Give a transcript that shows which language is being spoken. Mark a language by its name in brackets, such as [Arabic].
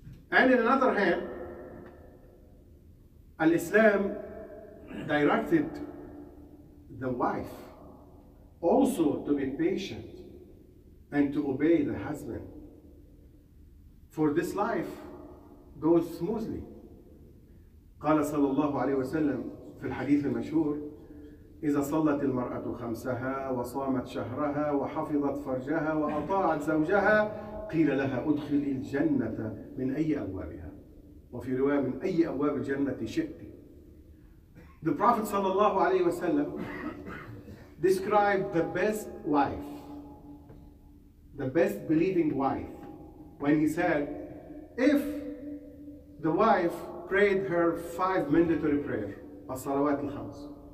[English] And in another hand, Al-Islam directed the wife also to be patient and to obey the husband. For this life goes smoothly. [Arabic] قال صلى الله عليه وسلم في الحديث المشهور إذا صلت المرأة خمسها وصامت شهرها وحفظت فرجها وأطاعت زوجها قيل لها أدخلي الجنة من أي أبوابها وفي رواية من أي أبواب الجنة شئت. [English] The Prophet [Arabic] صلى الله عليه وسلم [English] described the best wife, the best believing wife, when he said, if the wife prayed her 5 mandatory prayer, as-salawat al-khams,